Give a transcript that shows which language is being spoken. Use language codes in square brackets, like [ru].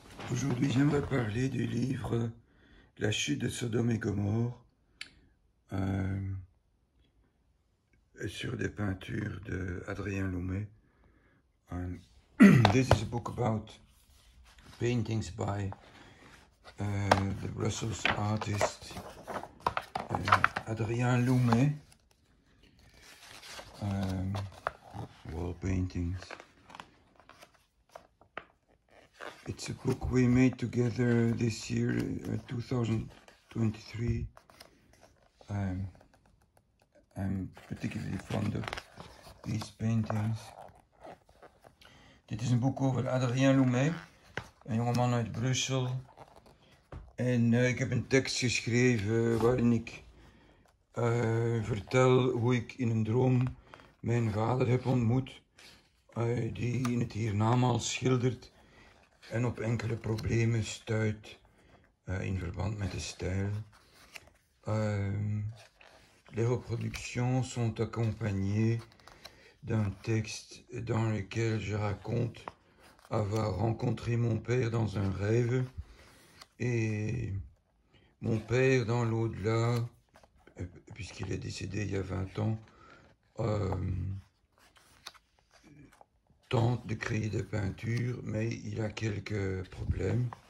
[fr] Aujourd'hui, j'aimerais parler du livre La chute de Sodome et Gomorre sur des peintures d'Adrien Loumet. [en] This is a book about paintings by the Brussels artist Adrien Loumet. Wall paintings. It's a book we made together this year, 2023. I'm particularly fond of these paintings. [nl] Dit is een boek over Adrien Loumet, een jongeman uit Brussel. En ik heb een tekst geschreven waarin ik vertel hoe ik in een droom mijn vader heb ontmoet, die in het hiernamaals schildert. En op enkele problemen stuit in verband met de stijl. [fr] Les reproductions sont accompagnées d'un texte dans lequel je raconte avoir rencontré mon père dans un rêve et mon père dans l'au-delà, puisqu'il est décédé il y a 20 ans, tente de créer des peintures, mais il a quelques problèmes.